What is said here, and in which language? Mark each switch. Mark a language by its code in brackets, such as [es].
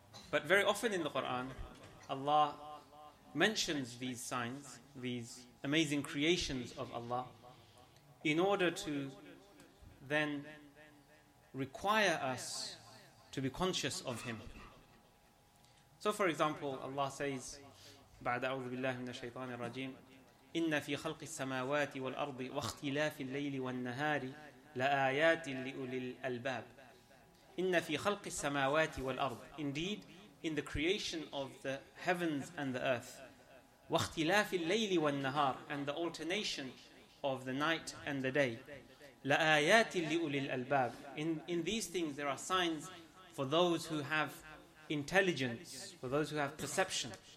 [en] But very often in the Quran, Allah mentions these signs, these amazing creations of Allah, in order to then require us to be conscious of him. So for example, Allah says, [ar] بعد أعوذ بالله من الشيطان الرجيم إن في خلق السماوات والأرض واختلاف الليل والنهار لآيات لأولي الألباب. إن في خلق السماوات والأرض. [en] Indeed, in the creation of the heavens and the earth, [ar] واختلاف الليل والنهار, [en] and the alternation of the night and the day, [ar] لآيات لأولي الألباب. [en] In these things there are signs for those who have intelligence, for those who have perception.